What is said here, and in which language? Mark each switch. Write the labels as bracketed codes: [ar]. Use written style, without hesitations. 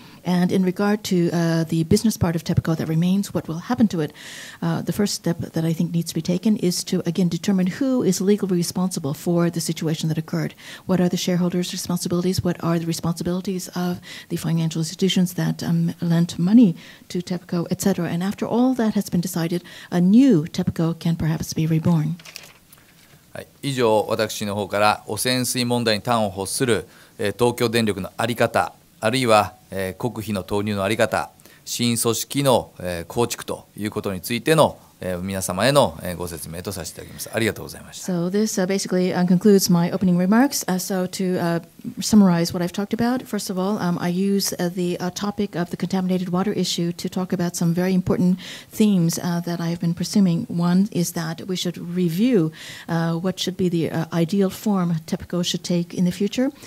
[en] And in regard to the business part of TEPCO that remains, what will happen to it, the first step that I think needs to be taken is to, again, determine who is legally responsible for the situation that occurred. What are the shareholders' responsibilities? What are the responsibilities of the financial institutions that lent money to TEPCO, et cetera? And after all that has been decided, a new TEPCO can perhaps be reborn. [ja] 以上、私の方から汚染水問題に端を発する東京電力の在り方、あるいは国費の投入の在り方、新組織の構築ということについての皆様へのご説明とさせていただきます。ありがとうございました。 [en] So this basically concludes my opening remarks. So to summarize what I've talked about, first of all, I use the topic of the contaminated water issue to talk about some very important themes that I have been pursuing. One is that we should review what should be the ideal form TEPCO should take in the future.